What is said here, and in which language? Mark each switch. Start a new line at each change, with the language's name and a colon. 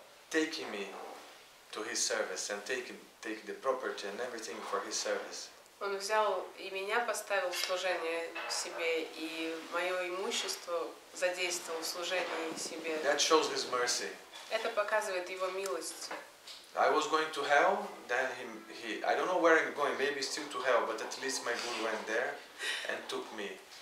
English: Taking me to his service and taking the property and everything for his service.
Russian: Он взял и меня поставил в служение себе, и мое имущество задействовал в служении себе.
English: That shows his mercy.
Russian: Это показывает его милость.
English: I was going to hell, then he I don't know where I'm going, maybe still to hell, but at least my guru went there and took me.